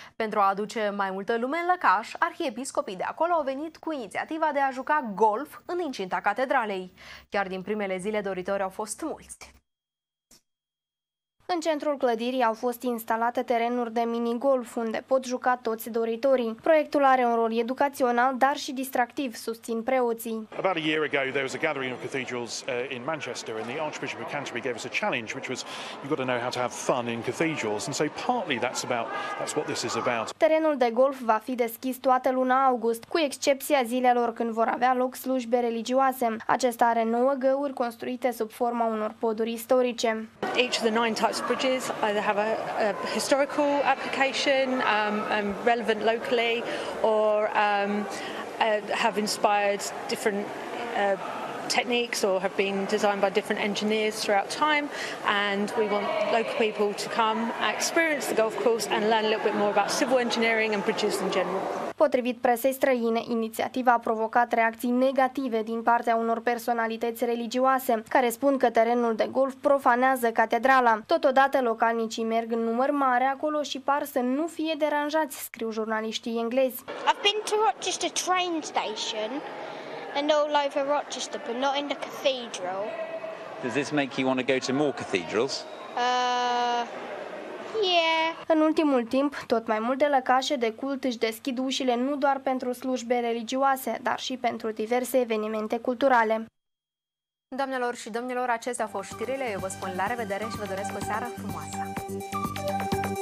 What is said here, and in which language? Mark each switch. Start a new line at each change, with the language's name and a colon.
Romanian: Pentru a aduce mai multă lume în lăcaș, arhiepiscopii de acolo au venit cu inițiativa de a juca golf în incinta catedralei. Chiar din primele zile doritori au fost mulți. În centrul clădirii au fost instalate terenuri de mini-golf, unde pot juca toți doritorii. Proiectul are un rol educațional, dar și distractiv, susțin preoții.
English: About a year ago, there was a gathering of cathedrals in Manchester, and the Archbishop of Canterbury gave us a challenge, which was, you've got to know how to have fun in cathedrals, and so partly that's what this is about.
Romanian: Terenul de golf va fi deschis toată luna august, cu excepția zilelor când vor avea loc slujbe religioase. Acesta are 9 găuri construite sub forma unor poduri istorice.
English: Each of the 9 types of bridges either have a historical application and relevant locally or have inspired different techniques or have been designed by different engineers throughout time, and we want local people to come experience the golf course and learn a little bit more about civil engineering and bridges in general.
Romanian: Potrivit presei străine, inițiativa a provocat reacții negative din partea unor personalități religioase, care spun că terenul de golf profanează catedrala. Totodată, localnicii merg în număr mare acolo și par să nu fie deranjați, scriu jurnaliștii englezi.
English: I've been to Rochester train station and all over Rochester, but not in the cathedral. Does this make you want to go to more cathedrals? Yeah.
Romanian: În ultimul timp, tot mai multe lăcașe de cult își deschid ușile nu doar pentru slujbe religioase, dar și pentru diverse evenimente culturale. Doamnelor și domnilor, acestea au fost știrile. Eu vă spun la revedere și vă doresc o seară frumoasă!